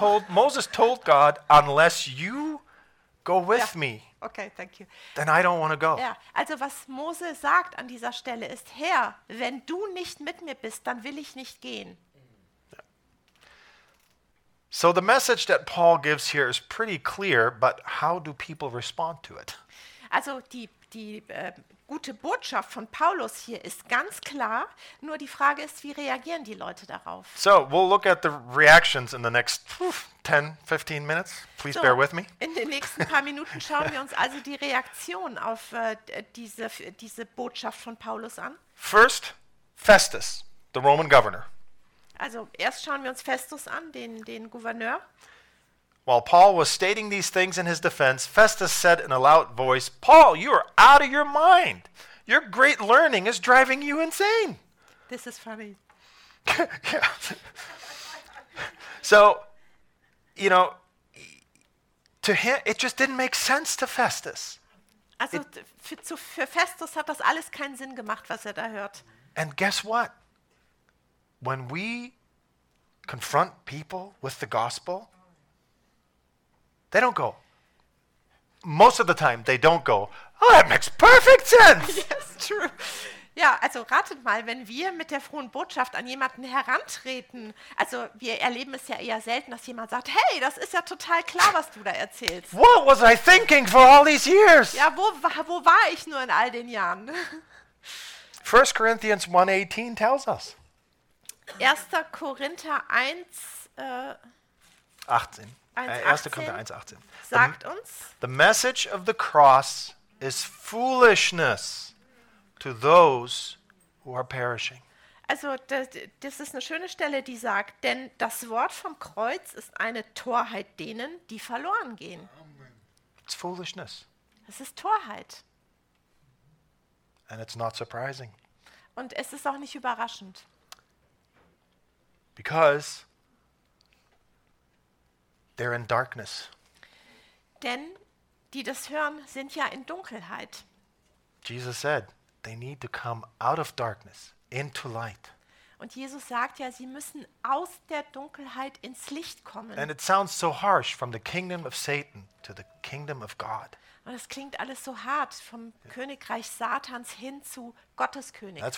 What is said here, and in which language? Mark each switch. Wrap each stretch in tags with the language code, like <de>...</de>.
<en>Moses told God, unless you go with me. Okay, thank you. Then I don't want to go.</en> <de>Ja, also was Mose sagt an dieser Stelle ist, Herr, wenn du nicht mit mir bist, dann will ich nicht gehen.</de> <en>So the message that Paul gives here is pretty clear, but how do people respond to it?</en> <de>Also die gute Botschaft von Paulus hier ist ganz klar, nur die Frage ist, wie reagieren die Leute darauf?</de> <en>So, we'll look at the reactions in the next 10, 15 minutes. Please bear with me.</en> <de>In den nächsten paar Minuten schauen wir uns also die Reaktion auf diese Botschaft von Paulus an.</de> <en>First, Festus, the Roman governor.</en> <de>Also erst schauen wir uns Festus an, den Gouverneur.</de> <en>While Paul was stating these things in his defense, Festus said in a loud voice, Paul, you are out of your mind. Your great learning is driving you insane. This is funny. Yeah. So, you know, to him, it just didn't make sense to Festus.</en> <de>Also, für Festus hat das alles keinen Sinn gemacht, was er da hört.</de> <en>And guess what? When we confront people with the gospel, they don't go. Most of the time, they don't go. Oh, that makes perfect sense. Yes, true.</en> <de>Ja, also ratet mal, wenn wir mit der frohen Botschaft an jemanden herantreten, also wir erleben es ja eher selten, dass jemand sagt, hey, das ist ja total klar, was du da erzählst.</de> <en>What was I thinking for all these years?</en> <de>Ja, wo war ich nur in all den Jahren?</de> <en>1 Corinthians 1:18 tells us.</en> <de>1. Korinther 1, 18. 1. Korinther 1:18 sagt uns,</de> <en>the message of the cross is foolishness to those who are perishing.</en> <de>Also das ist eine schöne Stelle, die sagt, denn das Wort vom Kreuz ist eine Torheit denen, die verloren gehen.</de> <en>It's foolishness.</en> <de>Es ist Torheit.</de> <en>And it's not surprising.</en> <de>Und es ist auch nicht überraschend.</de> <en>Because they're in darkness.</en> <de>Denn die das hören sind ja in Dunkelheit.</de> <en>Jesus said, they need to come out of darkness into light.</en> <de>Und Jesus sagt ja, sie müssen aus der Dunkelheit ins Licht kommen.</de> <en>And it sounds so harsh, from the kingdom of Satan to the kingdom of God.</en> <de>Und es klingt alles so hart, vom Königreich Satans hin zu Gottes Königreich.</de>